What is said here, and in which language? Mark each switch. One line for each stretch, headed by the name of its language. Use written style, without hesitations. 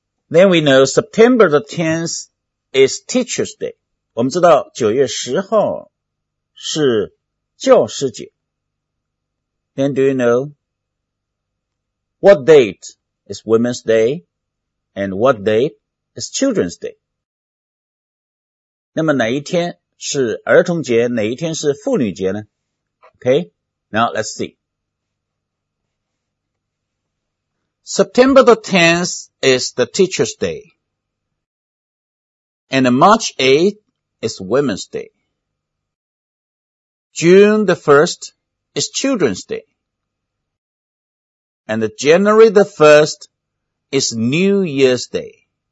English: Then we know September the 10th is Teacher's Day.
Chinese: 我们知道9月10号是教师节。
English: Then do you know what date is Women's Day and what date is Children's Day?
Chinese: 那么哪一天是儿童节，哪一天是妇女节呢？
English: Okay, now let's see. September the 10th is the Teacher's Day, and March 8th is Women's Day. June the 1st is Children's Day, and January the 1st is New Year's Day.